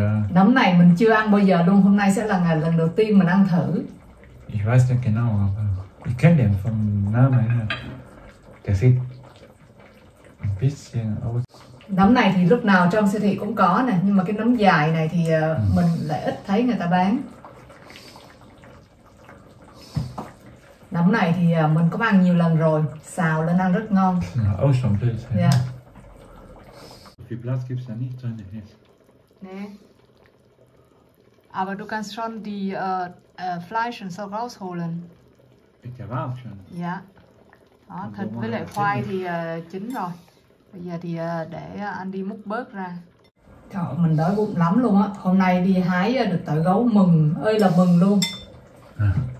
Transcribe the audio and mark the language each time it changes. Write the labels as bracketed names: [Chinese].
[Vietnamese] Nấm này mình chưa ăn bao giờ luôn, hôm nay sẽ là ngày lần đầu tiên mình ăn thử. [German] Ich weiß nicht genau, aber ich kenne den vom Namen her. Der sieht ein bisschen aus. [Vietnamese] Nấm này thì lúc nào trong siêu thị cũng có nè, nhưng mà cái nấm dài này thì mình lại ít thấy người ta bán. Nấm này thì mình có ăn nhiều lần rồi, xào lên ăn rất ngon. [English] Awesome place. Yeah. [German] Viel Platz gibt's da nicht, sondern hier. Nee. Aber du kannst schon die Fleisch und so rausholen. Ich habe auch schon. Ja. [Vietnamese] Đó, thịt với lại khoai thì chín rồi. Bây giờ thì để anh đi múc bớt ra. Trời ơi, mình đói bụng lắm luôn á. Hôm nay đi hái được tỏi gấu mừng, ơi là mừng luôn. À.